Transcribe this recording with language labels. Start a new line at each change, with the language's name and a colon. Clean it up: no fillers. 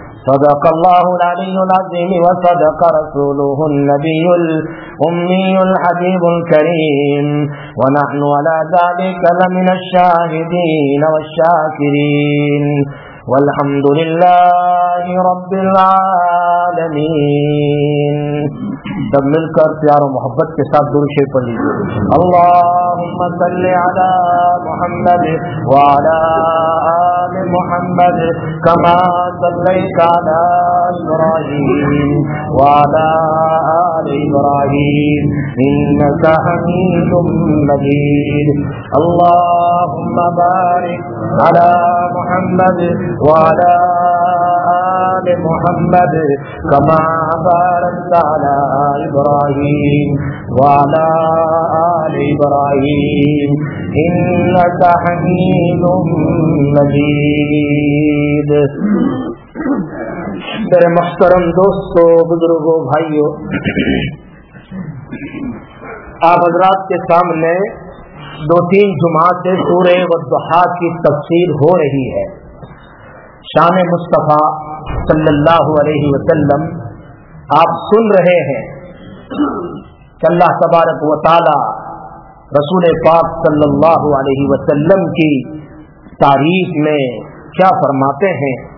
Arabic: صدق الله العلي العظيم وصدق رسوله النبي الأمي الحبيب الكريم، ونحن على ذلك لمن الشاهدين والشاكرين، والحمد لله رب العالمين.
Urdu: سب مل کر پیار و محبت کے ساتھ درود شریف پڑھ لیجیے.
Arabic: اللهم صل على محمد وعلى آل محمد كما صليت على إبراهيم وعلى آل إبراهيم إنك حميد مجيد. اللهم بارك على محمد وعلى آل محمد كما باركت على إبراهيم وعلى آل إبراهيم إنك حميد مجيد.
Urdu: میرے محترم دوستو، بزرگوں، بھائیوں، آپ حضرات کے سامنے دو تین جمعہ سے سورہ والضحا کی تفسیر ہو رہی ہے. شان مصطفیٰ صلی اللہ علیہ وسلم آپ سن رہے ہیں کہ اللہ تبارک و تعالی رسول پاک صلی اللہ علیہ وسلم کی تعریف میں کیا فرماتے ہیں.